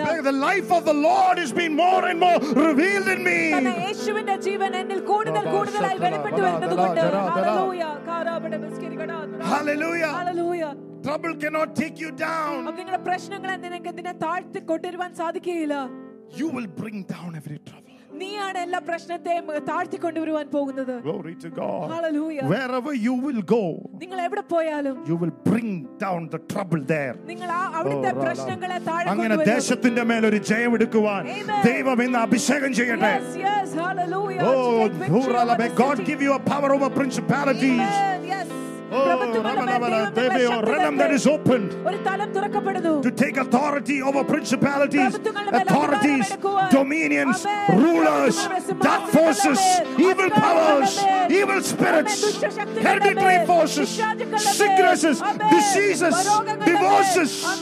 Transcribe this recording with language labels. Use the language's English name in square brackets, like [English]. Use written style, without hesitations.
[English] The life of the Lord has been more and more revealed in me. [Malayalam] അതെ, യേശുവിന്റെ ജീവൻ എന്നിൽ കൂടുതൽ കൂടുതലായി വെളിപ്പെട്ടു വരുന്നതുകൊണ്ട്. Hallelujah. കാരാബടെ മിസ്കിരികട. [English] ഹല്ലേലൂയ. ഹല്ലേലൂയ. Trouble cannot take you down. [Malayalam] നിങ്ങളുടെ പ്രശ്നങ്ങൾ നിങ്ങൾക്ക് ഇതിനെ താഴ്ത്തി കൊണ്ടുവരാൻ സാധിക്കില്ല. [English] You will bring down every trouble. [Malayalam] നീയാണ് എല്ലാ പ്രശ്നത്തെയും താഴ്ത്തി കൊണ്ടുവരുവാൻ പോകുന്നത്. [English] Glory to God. Hallelujah. Wherever you will go, [Malayalam] നിങ്ങൾ എവിടെ പോയാലും, [English] you will bring down the trouble there. [Malayalam] നിങ്ങൾ അവിടുത്തെ പ്രശ്നങ്ങളെ താഴ്ത്തി കൊണ്ടുവരും. അങ്ങനെ ദേശത്തിന്റെ മേൽ ഒരു ജയം എടുക്കുവാൻ ദൈവം ഇന്ന് അഭിഷേകം ചെയ്യട്ടെ. [English] Yes, yes. Hallelujah. Oh, Durala, may God give you a power over principalities. Amen. Yes. Oh, realm that is opened to take authority over principalities, authorities, dominions, rulers, dark forces, evil powers, evil spirits, hereditary forces, sicknesses, diseases, divorces.